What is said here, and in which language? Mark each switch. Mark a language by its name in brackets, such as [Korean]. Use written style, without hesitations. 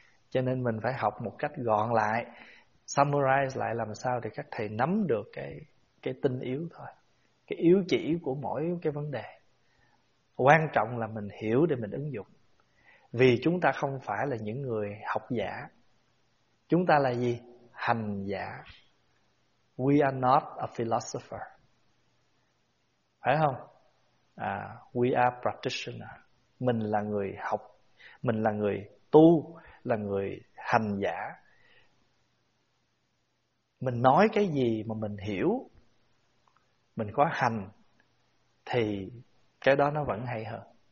[Vietnamese] Cho nên mình phải học một cách gọn lại, summarize lại làm sao để các thầy nắm được cái tinh yếu thôi, cái yếu chỉ của mỗi cái vấn đề. Quan trọng là mình hiểu để mình ứng dụng. Vì chúng ta không phải là những người học giả. Chúng ta là gì? Hành giả. [English] We are not a philosopher. [Vietnamese] Phải không? [English] We are practitioner. [Vietnamese] Mình là người học, mình là người tu, là người hành giả. Mình nói cái gì mà mình hiểu, mình có hành, thì cái đó nó vẫn hay hơn.